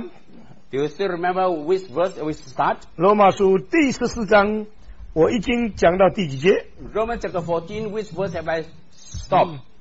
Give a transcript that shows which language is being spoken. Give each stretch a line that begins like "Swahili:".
English: Do you still remember which verse we start?
Chinese: 罗马书第十四章，我已经讲到第几节？
English: Romans chapter 14, which verse have I stopped?